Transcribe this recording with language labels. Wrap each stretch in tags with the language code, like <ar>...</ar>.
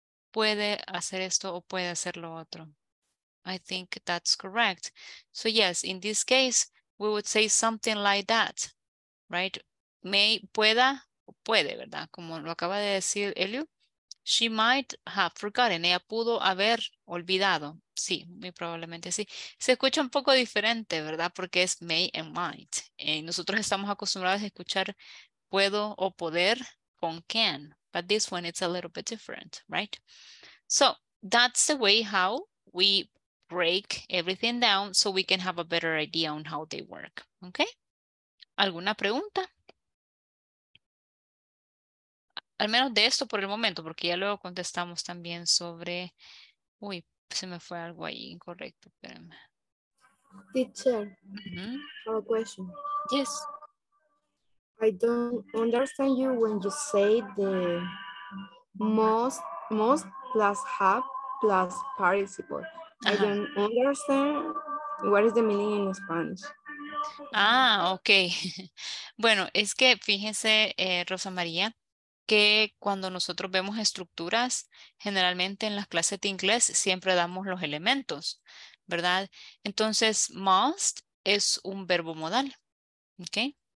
<es>Puede hacer esto o puede hacer lo otro.</es> <en>I think that's correct. So yes, in this case, we would say something like that, right?</en> <es>May, pueda, puede, ¿verdad? Como lo acaba de decir Eliu,</es> <en>she might have forgotten.</en> <es>Ella pudo haber olvidado. Sí, muy probablemente sí. Se escucha un poco diferente, ¿verdad? Porque es</es> <en>may and might.</en> <es>Y nosotros estamos acostumbrados a escuchar puedo o poder con can.</es> <en>But this one, it's a little bit different, right? So that's the way how we break everything down so we can have a better idea on how they work. Okay?</en> <es>¿Alguna pregunta? Al menos de esto por el momento, porque ya luego contestamos también sobre... Uy, se me fue algo ahí incorrecto, espérame.</es> <en>Teacher, have a question. Yes. I don't understand you when you say the most plus have plus participle. I don't understand what is the meaning in Spanish. Ah, ok.</en> <es>Bueno, es que fíjense, Rosa María, que cuando nosotros vemos estructuras, generalmente en las clases de inglés siempre damos los elementos, ¿verdad? Entonces, must es un verbo modal, ¿ok?</es>